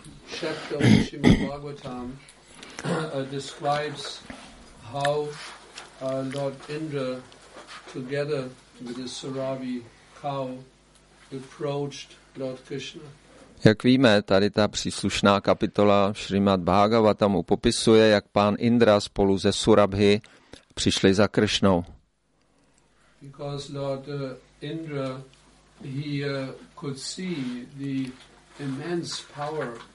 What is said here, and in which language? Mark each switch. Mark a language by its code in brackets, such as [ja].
[en] Chapter of Srimad Bhagavatam describes how Lord Indra, together with his Saravi cow, approached Lord Krishna. [cs] Jak víme, tady ta příslušná kapitola Srimad Bhagavatam popisuje, jak pán Indra spolu ze Surabhi přišli za Kršnou. [en] Because Lord Indra, he could see the immense power.